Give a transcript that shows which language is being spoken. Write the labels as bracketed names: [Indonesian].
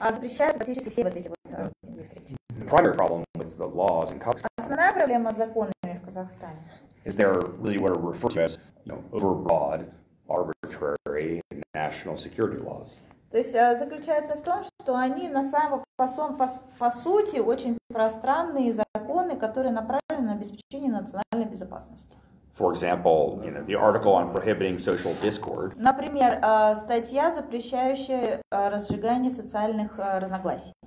[Russian] Запрещают практически все вот эти вот встречи. [English] The primary problem with the laws in Kazakhstan. [Russian] Основная проблема с законами в Казахстане. [English] Is there really what are referred to as, you know, overbroad, arbitrary national security laws? [Russian] То есть заключается в том, что они на самом по сути очень пространные законы, которые направлены на обеспечение национальной безопасности. [English] For example, you know, the article on prohibiting social discord. [Russian] Например, статья, запрещающая разжигание социальных разногласий.